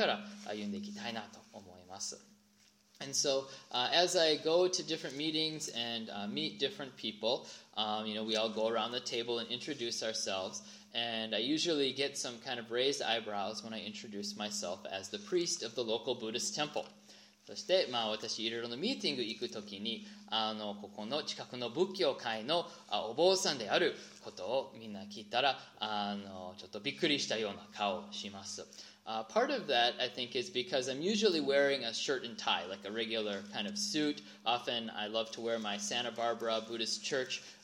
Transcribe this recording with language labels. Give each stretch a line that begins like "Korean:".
Japanese: そして、私と今年の宗教的、精神的な方、そしてそういう治療とかいろいろなケアを与える人は協力しながら歩んでいきたいなと思います。
English: And so as I go to different meetings and meet different people, we all go around the table and introduce ourselves. And I usually get some kind of raised eyebrows when I introduce myself as the priest of the local Buddhist temple.
Japanese: そして、私いろいろのミーティング行くときに、ここの近くの仏教会のお坊さんであることをみんな聞いたら、ちょっとびっくりしたような顔をします。
English: Part of that, I think, is because I'm usually wearing a shirt and tie, like a regular kind of suit. Often I love to wear my Santa Barbara Buddhist Church